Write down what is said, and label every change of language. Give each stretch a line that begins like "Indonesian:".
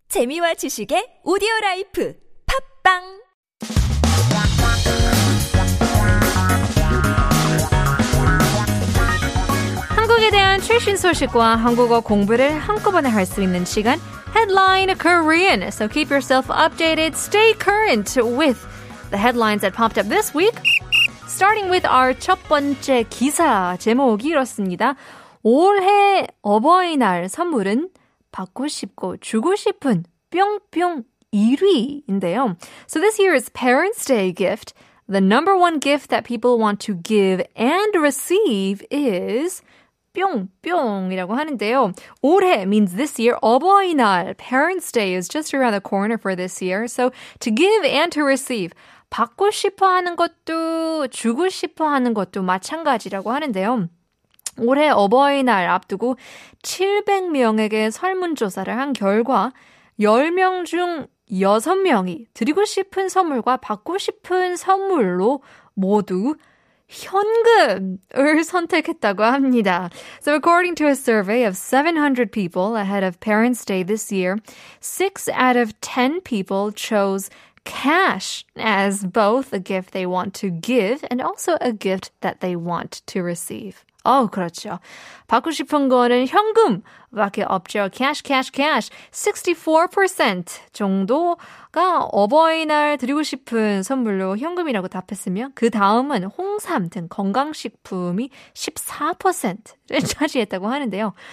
Korean: 재미와 지식의 오디오 라이프. 팟빵! 한국에 대한 최신 소식과 한국어 공부를 한꺼번에 할 수 있는 시간.
English: Headline Korean. So keep yourself updated. Stay current with the headlines that popped up this week. Starting with our
Korean: 첫 번째 기사. 제목이 이렇습니다. 올해 어버이날 선물은 받고 싶고 주고 싶은 뿅뿅 1위인데요.
English: So this year is Parents' Day gift. The number one gift that people want to give and receive is
Korean: 뿅뿅이라고 하는데요.
English: 올해 means this year. 어버이날, Parents' Day is just around the corner for this year. So to give and to receive.
Korean: 받고 싶어 하는 것도 주고 싶어 하는 것도 마찬가지라고 하는데요. 올해 어버이날 앞두고 700명에게 설문조사를 한 결과 10명 중 6명이 드리고 싶은 선물과 받고 싶은 선물로 모두 현금을 선택했다고 합니다.
English: So according to a survey of 700 people ahead of Parents' Day this year, 6 out of 10 people chose cash as both a gift they want to give and also a gift that they want to receive.
Korean: 그렇죠. 받고 싶은 거는 현금밖에 없죠.
English: Cash, cash, cash.
Korean: 64% 정도가 어버이날 드리고 싶은 선물로 현금이라고 답했으며 그 다음은 홍삼 등 건강식품이 14%를 차지했다고 하는데요.